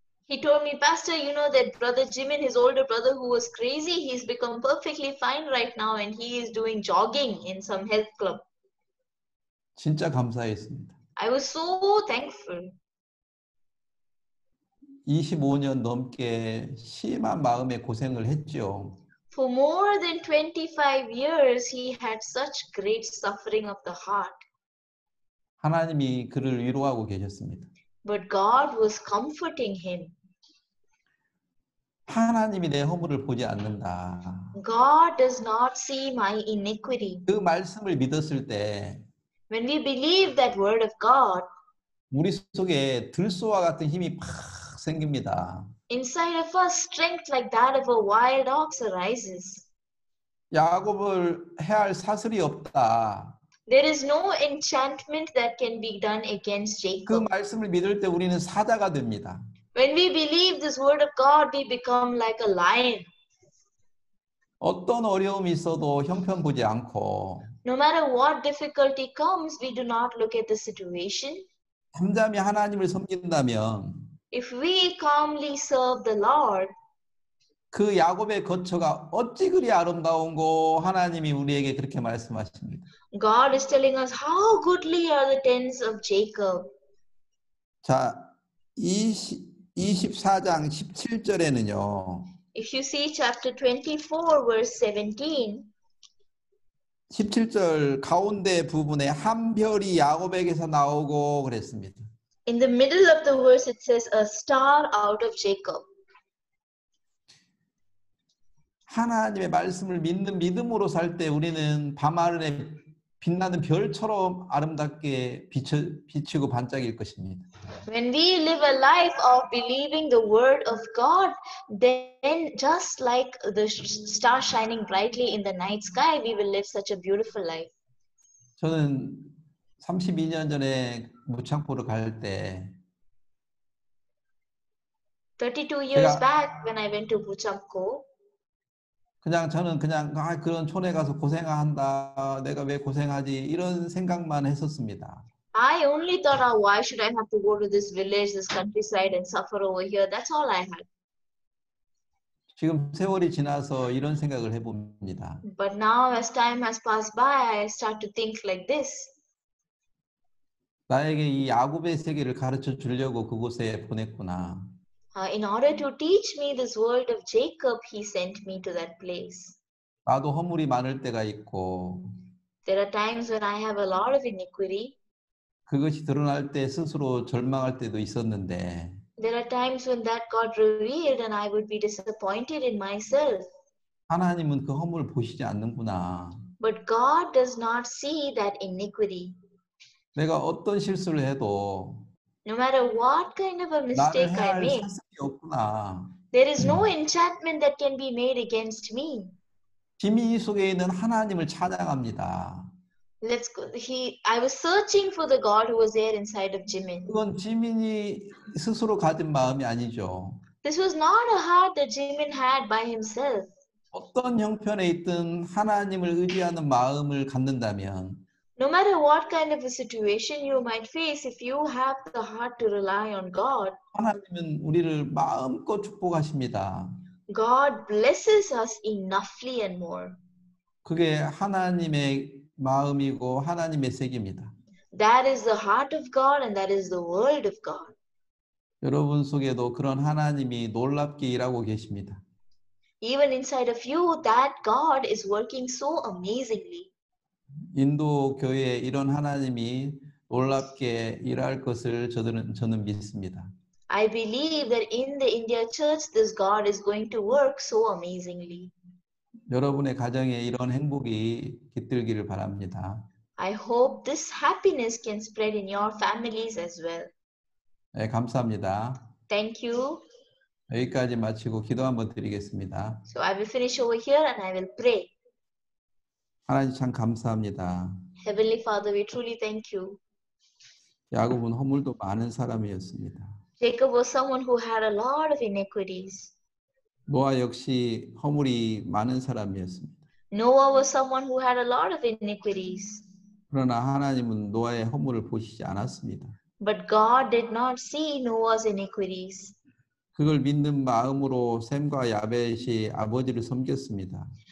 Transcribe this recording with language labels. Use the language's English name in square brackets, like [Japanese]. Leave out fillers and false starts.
[English] He told me, Pastor, you know that brother Jimin, his older brother who was crazy, he's become perfectly fine right now and he is doing jogging in some health club. [Korean] 진짜 감사했습니다. [English] I was so thankful. [Korean] 25년 넘게 심한 마음에 고생을 했죠. [English] For more than 25 years, he had such great suffering of the heart. [Korean] 하나님이 그를 위로하고 계셨습니다. [English] But God was comforting him. [Korean] 하나님이 내 허물을 보지 않는다. [English] God does not see my iniquity. [Korean] 그 말씀을 믿었을 때, [English] When we believe that word of God, [Korean] 우리 속에 들소와 같은 힘이 팍 생깁니다. [English] Inside of us, strength like that of a wild ox arises. [Korean] 야곱을 해할 사슬이 없다. [English] There is no enchantment that can be done against Jacob. [Korean] 그 말씀을 믿을 때 우리는 사자가 됩니다. [English] When we believe this word of God, we become like a lion. [Korean] 어떤 어려움이 있어도 형편 보지 않고 [English] No matter what difficulty comes, we do not look at the situation. [Korean] 잠잠히 하나님을 섬긴다면 [English] If we calmly serve the Lord, [Korean] 그 야곱의 거처가 어찌 그리 아름다운고 하나님이 우리에게 그렇게 말씀하십니다. [English] God is telling us how goodly are the tents of Jacob. [Korean] 자, 24장 17절에는요. [English] If you see chapter 24 verse 17. [Korean] 17절 가운데 부분에 한 별이 야곱에게서 나오고 그랬습니다. [English] In the middle of the verse it says a star out of Jacob. [Korean] 하나님의 말씀을 믿는 믿음으로 살 때 우리는 밤하늘에 빛나는 별처럼 아름답게 비치고 반짝일 것입니다. [English] When we live a life of believing the word of God, then just like the star shining brightly in the night sky, we will live such a beautiful life. [Korean] 저는 32년 전에 무창포로 갈 때 [English] 32 years back when I went to Muchangpo [Korean] 그냥 저는 그냥 아 그런 촌에 가서 고생한다. 내가 왜 고생하지? 이런 생각만 했었습니다. [English] I only thought, oh, why should I have to go to this village, this countryside and suffer over here? That's all I had. [Korean] 지금 세월이 지나서 이런 생각을 해 봅니다. [English] But now as time has passed by, I start to think like this. [Korean] 나에게 이 야곱의 세계를 가르쳐 주려고 그곳에 보냈구나. [English] In order to teach me this world of Jacob, he sent me to that place. [Korean] 나도 허물이 많을 때가 있고 [English] There are times when I have a lot of iniquity. [Korean] 그것이 드러날 때 스스로 절망할 때도 있었는데 [English] There are times when that got revealed and I would be disappointed in myself. [Korean] 하나님은 그 허물을 보시지 않는구나. [English] But God does not see that iniquity. [Korean] 내가 어떤 실수를 해도 [English] No matter what kind of a mistake I make, there is no enchantment that can be made against me. [Korean] 비밀 속에 있는 하나님을 찾아갑니다. [English] Let's go. I was searching for the God who was there inside of Jimin. [Korean] 그건 지민이 스스로 가진 마음이 아니죠. [English] This was not a heart that Jimin had by himself. [Korean] 어떤 형편에 있든 하나님을 의지하는 마음을 갖는다면 [English] No matter what kind of a situation you might face, if you have the heart to rely on God, [Korean] 하나님은 우리를 마음껏 축복하십니다. [English] God blesses us enoughly and more. [Korean] 그게 하나님의 마음이고 하나님의 세계입니다. [English] That is the heart of God and that is the world of God. [Korean] 여러분 속에도 그런 하나님이 놀랍게 일하고 계십니다. [English] Even inside of you, that God is working so amazingly. [Korean] 인도 교회에 이런 하나님이 놀랍게 일할 것을 저는 믿습니다. [English] I believe that in the India church, this God is going to work so amazingly. [Korean] 여러분의 가정에 이런 행복이 깃들기를 바랍니다. [English] I hope this happiness can spread in your families as well. [Korean] 네, 감사합니다. [English] Thank you. [Korean] 여기까지 마치고 기도 한번 드리겠습니다. [English] So I will finish over here and I will pray. [Korean] 하나님 참 감사합니다. [English] Heavenly Father, we truly thank you. [Korean] 야곱은 허물도 많은 사람이었습니다. [English] Jacob was someone who had a lot of iniquities. [Korean] 노아 역시 허물이 많은 사람이었습니다. [English] Noah was someone who had a lot of iniquities. [Korean] 그러나 하나님은 노아의 허물을 보시지 않았습니다. [English] But God did not see Noah's iniquities. [Korean] 그걸 믿는 마음으로 샘과 야벳이 아버지를 섬겼습니다.